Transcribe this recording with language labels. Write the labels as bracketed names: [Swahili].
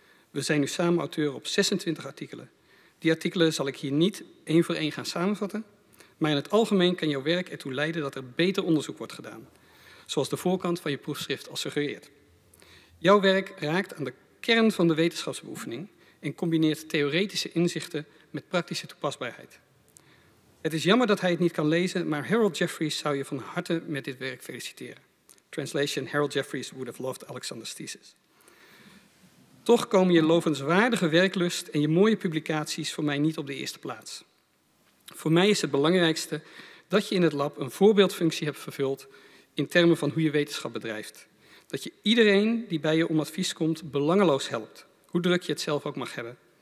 [Dutch] We zijn nu samen auteur op 26 artikelen. Die artikelen zal ik hier niet één voor één gaan samenvatten, maar in het algemeen kan jouw werk ertoe leiden dat er beter onderzoek wordt gedaan, zoals de voorkant van je proefschrift al suggereert. Jouw werk raakt aan de kern van de wetenschapsbeoefening en combineert theoretische inzichten met praktische toepasbaarheid. Het is jammer dat hij het niet kan lezen, maar Harold Jeffries zou je van harte met dit werk feliciteren. [English] Translation: Harold Jeffries would have loved Alexander's thesis. [Dutch] Toch komen je lovenswaardige werklust en je mooie publicaties voor mij niet op de eerste plaats. Voor mij is het belangrijkste dat je in het lab een voorbeeldfunctie hebt vervuld in termen van hoe je wetenschap bedrijft. Dat je iedereen die bij je om advies komt belangeloos helpt, hoe druk je het zelf ook mag hebben.